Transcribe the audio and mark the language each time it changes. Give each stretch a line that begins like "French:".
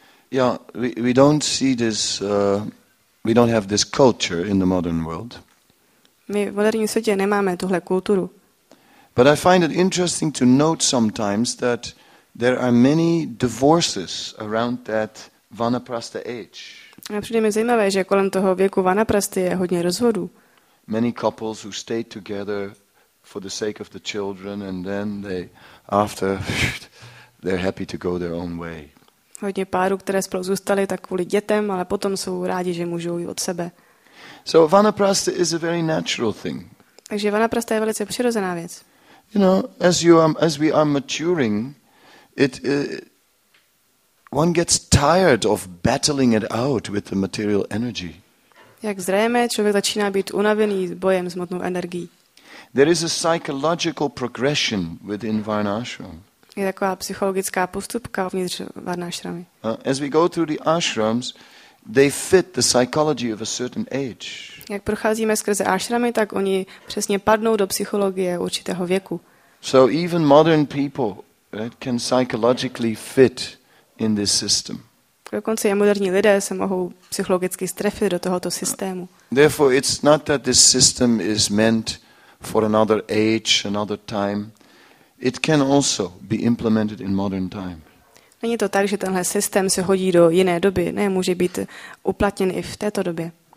English: Yeah, we don't see this, we don't have this culture in the modern world.
Czech: My v moderním světě nemáme tuhle kulturu.
English: But I find it interesting to note sometimes that there are many divorces around that vanaprastha age.
Czech: A přijde mi zajímavé, že kolem toho věku vanaprasty je hodně rozvodů.
English: Many couples who stay together for the sake of the children and then they after they're happy to go their own way.
Czech: Hodně párů, které spolu zůstali tak kvůli dětem, ale potom jsou rádi, že můžou jít od sebe.
English: So vanaprastha is a very natural thing.
Czech: Takže vanaprastha je velice přirozená věc.
English: You know, as we are maturing, one gets tired of battling it out with the material energy.
Czech: Jak zrejeme, člověk začíná být unavený s bojem s hmotnou energií.
English: There is a psychological progression within varnashram.
Czech: Je taková psychologická postupka uvnitř varnashramy.
English: As we go through the ashrams, they fit the psychology of a certain age.
Czech: Jak procházíme skrze ashramy, tak oni přesně padnou do psychologie určitého věku.
English: So even modern people, right, can psychologically fit in this system.
Czech: Dokonce i moderní lidé se mohou psychologicky strefit do tohoto systému.
English: Therefore, it's not that this system is meant for another age, another time. It can also be implemented in modern time.
Czech: Není to tak, že tenhle systém se hodí do jiné doby. Ne, může být uplatněn i v této době.